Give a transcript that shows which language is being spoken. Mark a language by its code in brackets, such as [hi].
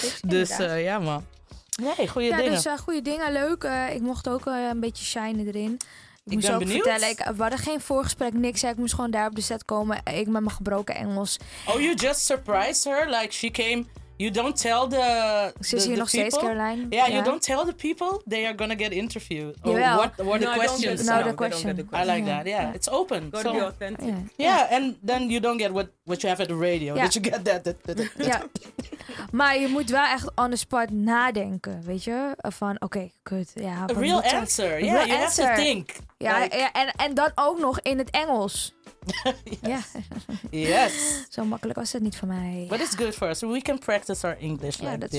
[nl] Dus man. Nee, goede dingen. Ja, dus goede dingen. Leuk. Ik mocht ook een beetje shinen erin. Ik moest ben ook benieuwd. Vertellen. We hadden geen voorgesprek, niks. Ik moest gewoon daar op de set komen. Ik met mijn gebroken Engels. [en] Oh, you just surprised her? Like, she came... You don't tell the people? [nl] Ze is hier nog steeds, Caroline. [en] Yeah, you don't tell the people they are gonna get interviewed. Or what the questions. No, the question. I like that, yeah. It's open. Gotta be authentic. Yeah. Yeah, and then you don't get what you have at the radio. Yeah. Did you get that? [nl] Maar je moet wel echt [en] on the spot [nl] nadenken, weet je? Van, kut. Ja, [en] a real answer. Yeah, real you answer. Have to think. Ja, like... [nl] en dan ook nog in het Engels. [en] Yes. Yes. [nl] Zo makkelijk was het niet voor mij. [en] But it's good for us. We can practice our English like this.